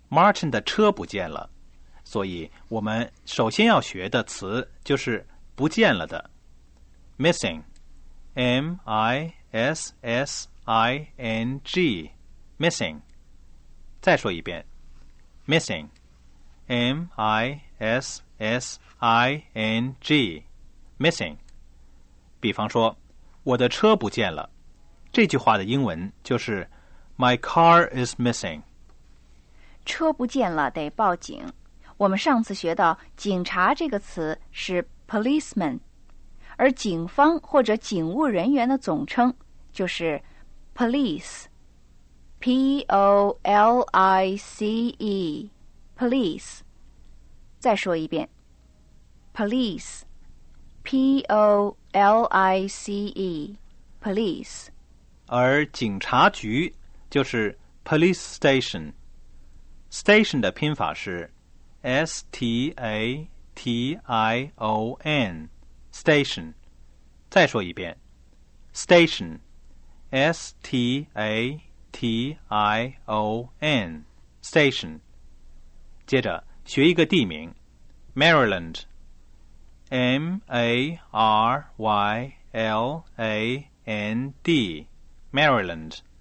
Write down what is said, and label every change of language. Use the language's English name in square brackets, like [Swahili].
[Chinese] Martin 的车不见了，所以我们首先要学的词就是不见了的 missing， M-I-S-S-I-N-G， missing。再说一遍 missing， M-I-S-S-I-N-G， missing。比方说我的车不见了，这句话的英文就是 [English] My car is missing。 [Chinese] 车不见了得报警。我们上次学到警察这个词是policeman， 而警方或者警务人员的总称就是 police， P-O-L-I-C-E， police。再说一遍 police， P-O-L-I-C-E， police。而警察局就是 police station， station 的拼法是 S-T-A-T-I-O-N， station。再说一遍 station， S-T-A-T-I-O-N， station。接着学一个地名 Maryland， M-A-R-Y-L-A-N-D， Maryland。